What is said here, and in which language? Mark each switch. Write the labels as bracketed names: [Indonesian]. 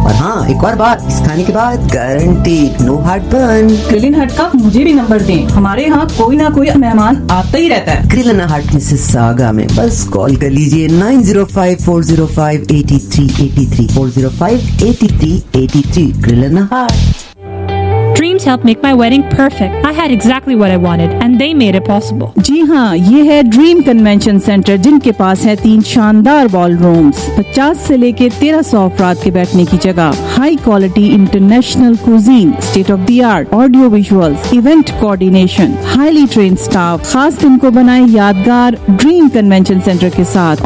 [Urdu] اور ہاں ایک اور بات, اس کھانے کے بعد [English] Guarantee no heartburn. [Urdu] کرنا ہٹ کا مجھے بھی نمبر دیں, ہمارے ہاں کوئی نہ کوئی مہمان آتا ہی رہتا ہے. کرنا ہٹ مسز ساگا میں, بس کال کر لیجیے 905-405-8383. [English] Dreams helped make my wedding perfect. I had exactly what I wanted and they made it possible. [Urdu] جی ہاں, یہ ہے ڈریم کنونشن سینٹر جن کے پاس ہے 3 شاندار بال رومز, 50 سے لے کے 1300 افراد کے بیٹھنے کی جگہ, high quality international cuisine, state of the art audio visuals, event coordination, highly trend staff. خاص دن کو بنائیں یادگار ڈریم کنونشن سینٹر کے ساتھ.